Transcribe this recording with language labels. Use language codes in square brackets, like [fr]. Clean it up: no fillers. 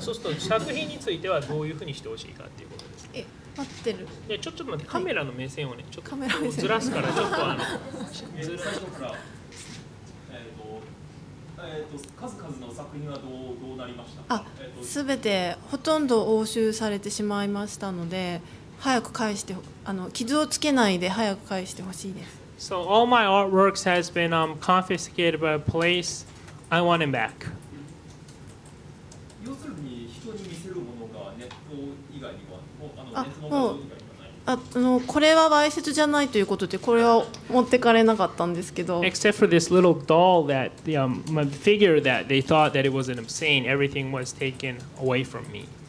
[ja] そうすると作品については、どういうふうにしてほしいかっていうことです。え、待ってる。で、ちょっと待って、カメラの目線をね、ちょっとずらすから、ちょっと、ずらすから。え、数々の作品はどうなりましたか?すべて、ほとんど押収されてしまいましたので、早く返して、傷をつけないで早く返してほしいです。So [en] all my artworks has been confiscated by police. I want them back. [ja] 要するに人に見せるものがネット以外にはあのネットの以外にはない。あ、もうこれはわいせつじゃないということで、これは持ってかれなかったんですけど。 [en] Except for this little doll that the figure that they thought that it was an obscene, everything was taken away from me.